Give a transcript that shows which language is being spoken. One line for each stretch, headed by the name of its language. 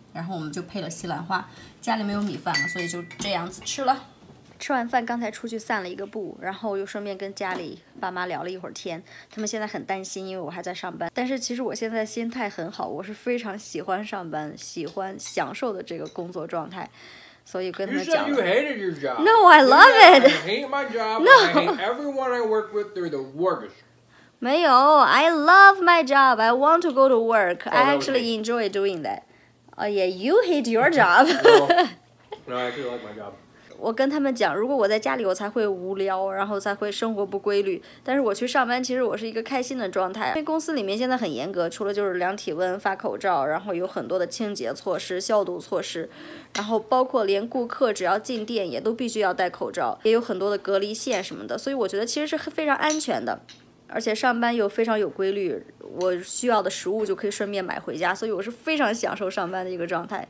Chinese: 然后我们就配了西兰花，家里没有米饭了，所以就这样子吃了。吃完饭刚才出去散了一个步，然后又顺便跟家里爸妈聊了一会儿天。他们现在很担心，因为我还在上班，但是其实我现在心态很好，我是非常喜欢上班，喜欢享受的这个工作状态。
English: So you couldn't have done it. You said you hated your job. No, I love it. I hate my job. No. I hate everyone I work with. They're the worst.
Chinese: 没有
English: I love my job. I want to go to work.、 Oh, I actually enjoy doing that. Oh, yeah, you hate your job. No, I actually like my job.
Chinese: 我跟他们讲，如果我在家里我才会无聊，然后才会生活不规律，但是我去上班其实我是一个开心的状态。因为公司里面现在很严格，除了就是量体温发口罩，然后有很多的清洁措施消毒措施，然后包括连顾客只要进店也都必须要戴口罩，也有很多的隔离线什么的，所以我觉得其实是非常安全的，而且上班又非常有规律，我需要的食物就可以顺便买回家，所以我是非常享受上班的一个状态。